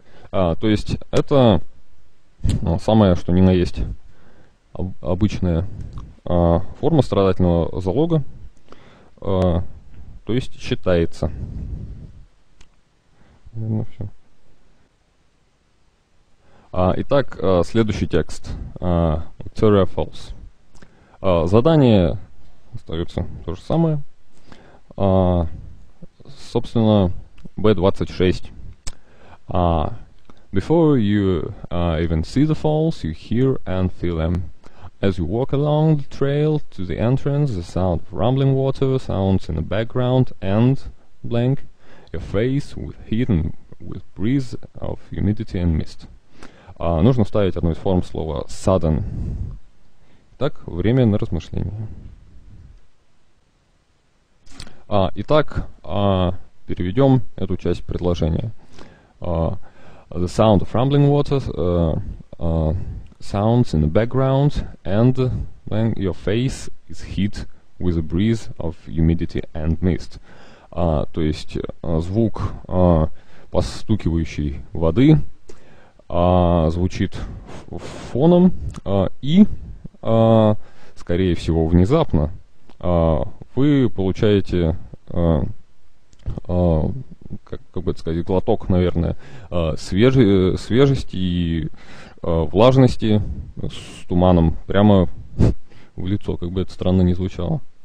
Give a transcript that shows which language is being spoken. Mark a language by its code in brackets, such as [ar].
[ru] То есть это самое что ни на есть обычная форма страдательного залога, то есть считается. Ну, в общем, Итак, следующий текст. Victoria Falls. Задание остается то же самое. Собственно, B26. [en] Before you even see the falls, you hear and feel them. As you walk along the trail to the entrance, the sound of rumbling water sounds in the background and blank, your face with heat and with breeze of humidity and mist. [ru] Нужно вставить одну из форм слова sudden. Итак, время на размышление. Итак, переведем эту часть предложения. [en] The sound of rumbling water sounds in the background, and when your face is hit with a breeze of humidity and mist. [ru] То есть звук постукивающей воды звучит фоном и, скорее всего, внезапно вы получаете как бы это сказать, глоток, наверное, свежести и влажности с туманом прямо в лицо, как бы это странно ни звучало.